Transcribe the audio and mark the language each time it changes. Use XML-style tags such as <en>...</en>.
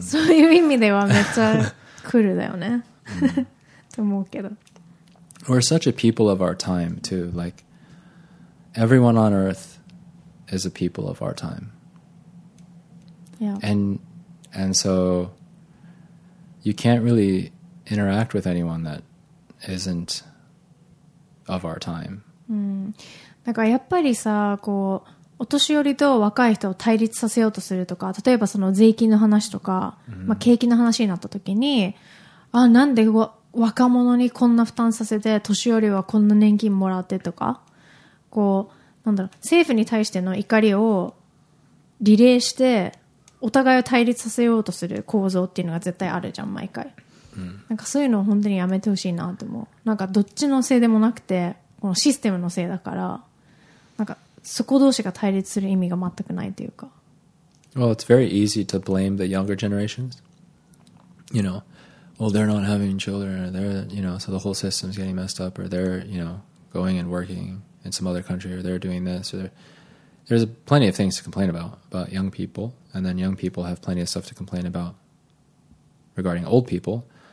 <ja>そういう意味ではめっちゃクールだよね。と思うけど。</ja> <en>We're such a people of our time, too. Like, everyone on earth is a people of our time. Yeah. And so, you can't really interact with anyone that isn't of our time.</en> <ja>だからやっぱりさ、こう、お年寄りと若い人を対立させようとするとか、例えばその税金の話とか、まあ、景気の話になった時に、あ、なんで若者にこんな負担させて、年寄りはこんな年金もらってとか、こう、なんだろう、政府に対しての怒りをリレーして、お互いを対立させようとする構造っていうのが絶対あるじゃん、毎回。なんかそういうのを本当にやめてほしいなって思う。なんかどっちのせいでもなくて、このシステムのせいだから、なんか、そこ同士が対立する意味が全くないというか。</ja> <en>Well, it's very easy to blame the younger generations. You know, well, they're not having children, or they're, you know, so the whole system's getting messed up, or they're, you know, going and working in some other country, or they're doing this, or there's plenty of things to complain about young people, and then young people have plenty of stuff to complain about regarding old people.</en>